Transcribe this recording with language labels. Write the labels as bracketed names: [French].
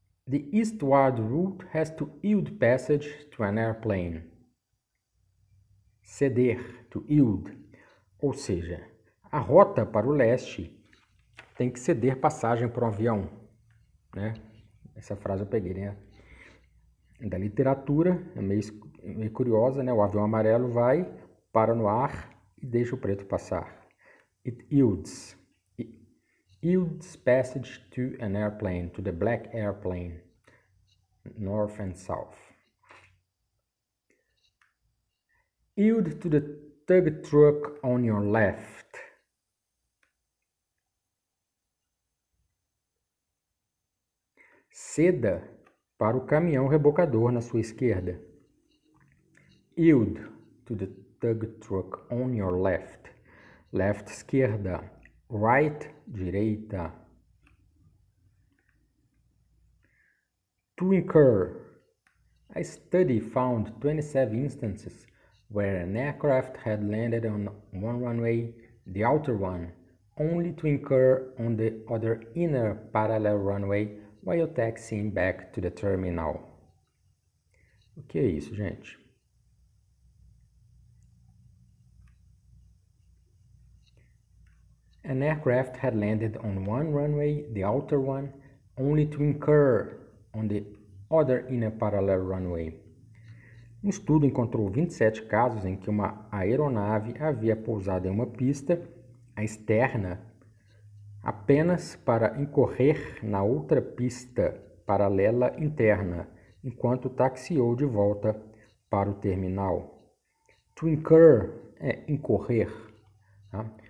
[English] The eastward route has to yield passage to an airplane. Ceder, to yield. [Portuguese] Ou seja, a rota para o leste tem que ceder passagem para um avião. Né? Essa frase eu peguei, né? Da literatura, é meio curiosa, né? O avião amarelo vai, para no ar e deixa o preto passar. [English] It yields. Yields passage to an airplane, to the black airplane, north and south. Yield to the tug truck on your left. [Portuguese] Ceda para o caminhão rebocador na sua esquerda. [English] Yield to the tug truck on your left. Left, esquerda. Right, direita. To incur. A study found 27 instances where an aircraft had landed on one runway, the outer one, only to incur on the other inner parallel runway while taxiing back to the terminal. [Portuguese] O que é isso, gente? [English] An aircraft had landed on one runway, the outer one, only to incur on the other inner parallel runway. [Portuguese] Um estudo encontrou 27 casos em que uma aeronave havia pousado em uma pista, a externa, apenas para incorrer na outra pista paralela interna, enquanto taxiou de volta para o terminal. [English] To incur [Portuguese] é incorrer. Tá?